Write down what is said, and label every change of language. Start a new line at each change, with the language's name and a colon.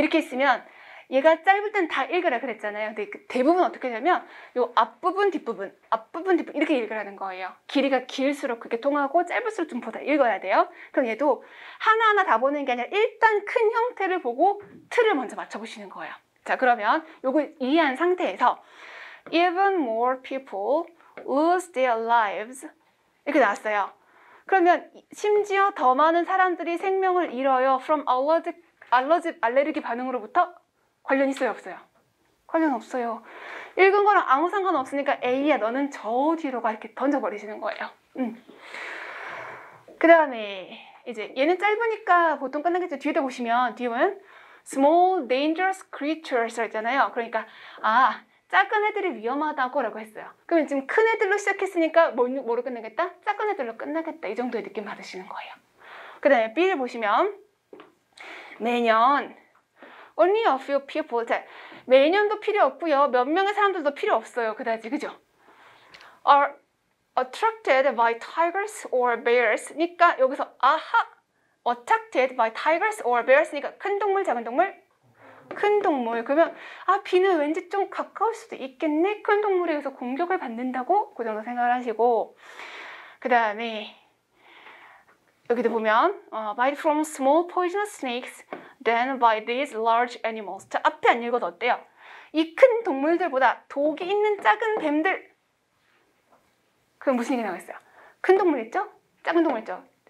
Korean: 이렇게 있으면, 얘가 짧을 땐다 읽으라 그랬잖아요. 근데 대부분 어떻게 되냐면, 요 앞부분, 뒷부분, 앞부분, 뒷부분, 이렇게 읽으라는 거예요. 길이가 길수록 그게 통하고, 짧을수록 좀 보다 읽어야 돼요. 그럼 얘도 하나하나 다 보는 게 아니라, 일단 큰 형태를 보고, 틀을 먼저 맞춰보시는 거예요. 자, 그러면 요걸 이해한 상태에서,
English: Even more people lose their lives.
Korean: 이렇게 나왔어요. 그러면, 심지어 더 많은 사람들이 생명을 잃어요.
English: From allergic
Korean: 반응으로부터? 관련 있어요, 없어요? 관련 없어요. 읽은 거랑 아무 상관 없으니까 A야, 너는 저 뒤로 가 이렇게 던져버리시는 거예요. 그 다음에, 이제, 얘는 짧으니까 보통 끝나겠죠. 뒤에다 보시면, 뒤에 보면,
English: small dangerous creatures
Korean: 있잖아요. 그러니까, 아, 작은 애들이 위험하다고라고 했어요. 그러면 지금 큰 애들로 시작했으니까 뭐로 끝나겠다? 작은 애들로 끝나겠다. 이 정도의 느낌 받으시는 거예요. 그 다음에 B를 보시면, 매년,
English: Only a few people.
Korean: 자, 매년도 필요 없고요. 몇 명의 사람들도 필요 없어요. 그다지, 그죠?
English: Are attracted by tigers or bears니까
Korean: 여기서 아하,
English: attracted by tigers or bears니까
Korean: 큰 동물, 작은 동물, 큰 동물. 그러면 아, 비는 왠지 좀 가까울 수도 있겠네. 큰 동물에 의해서 공격을 받는다고 그 정도 생각을 하시고, 그다음에 여기도 보면
English: by from small poisonous snakes. Then by these large animals.
Korean: 자, 앞에 안 읽어도 어때요? 이큰 동물들보다 독이 있는 작은 뱀들. 그럼 무슨 얘기 나왔어요? 큰 동물 있죠? 작은 동물 있죠?